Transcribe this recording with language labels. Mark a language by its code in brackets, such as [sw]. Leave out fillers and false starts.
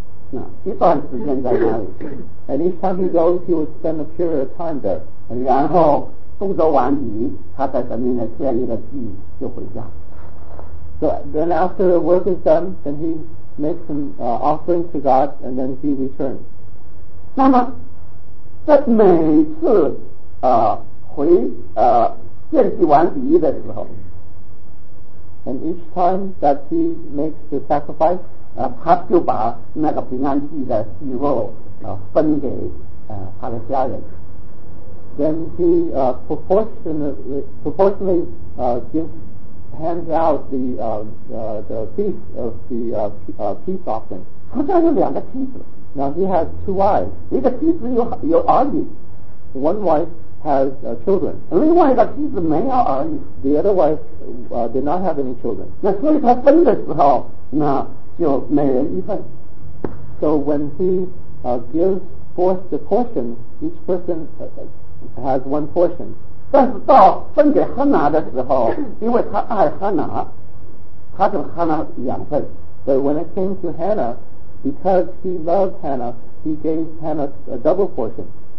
[zh] 那每次他去的时候，那一段时间在那里， [en] and each time he goes, he would spend a period of time there. [zh] 然后工作完毕，他在神面前献一个祭，就回家。 [en] So then after the work is done, then he makes some offering to God, and then he returns. [zh] 那么在每次回献祭完毕的时候， [en] and each time that he makes the sacrifice, [zh] 他就把那个平安祭的鸡肉分给他的家人。 [en] Then he proportionally gives hands out the feast of the peace offering. [zh] 他家有两个妻子。 [en] Now he has two wives. [zh] 一个妻子有儿女。 [en] One wife has children. [zh] 另外一个妻子没有儿女。 [en] The other wife did not have any children. [zh] 那所以他分的时候，那就每人一份。 [en] So when he gives forth the portion, each person has one portion. [zh] 但是到分给哈拿的时候，因为他爱哈拿，他就哈拿两份。 [en] But when it came to Hannah, because he loved Hannah, he gave Hannah a double portion.